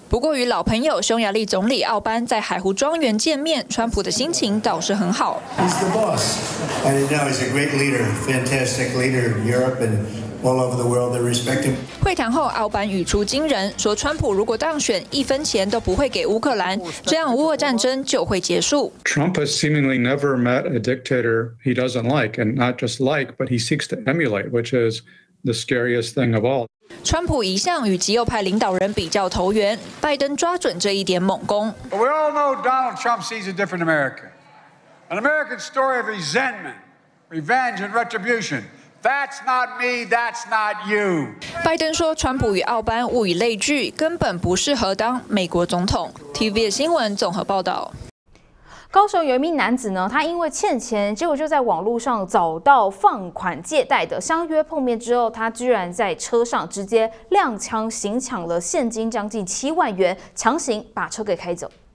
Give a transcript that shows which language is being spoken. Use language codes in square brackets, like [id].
[zh] 不过与老朋友匈牙利总理奥班在海湖庄园见面，川普的心情倒是很好。 [en] He's the boss. I didn't know he's a great leader, fantastic leader in Europe and. All over the world, they respect him. [zh] 会谈后，奥班语出惊人，说川普如果当选，一分钱都不会给乌克兰，这样乌俄战争就会结束。 [en] Trump has seemingly never met a dictator he doesn't like, and not just like, but he seeks to emulate, which is the scariest thing of all. [zh] 川普一向与极右派领导人比较投缘，拜登抓准这一点猛攻。 [en] But we all know Donald Trump sees a different America, an American story of resentment, revenge, and retribution. That's not me, that's not you. [zh] 拜登说川普与奥班物以类聚，根本不适合当美国总统。 TVBS 新闻综合报道。高雄有一名男子呢，他因为欠钱，结果就在网络上找到放款借贷的，相约碰面之后，他居然在车上直接亮枪行抢了现金将近7万元，强行把车给开走。